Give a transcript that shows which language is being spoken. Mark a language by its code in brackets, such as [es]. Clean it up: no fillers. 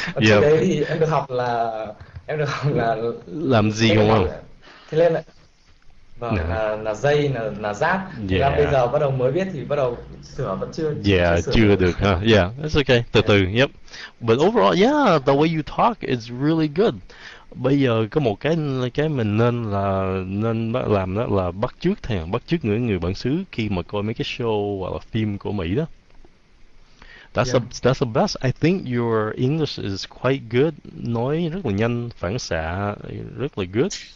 [vi] Trước đấy thì em được học là làm gì đúng không? Thế nên là vâng là dây là giáp. Và bây giờ bắt đầu mới biết thì bắt đầu sửa vẫn chưa chưa được ha. [en] Yeah, it's okay. [vi] Từ từ. Yep. [en] But overall, yeah, the way you talk is really good. [vi] Bây giờ có một cái mình nên làm đó là bắt chước người bản xứ khi mà coi mấy cái show hoặc là phim của Mỹ đó. [en] That's the best. I think your English is quite good. [vi] Nói rất là nhanh, phản xạ rất là good.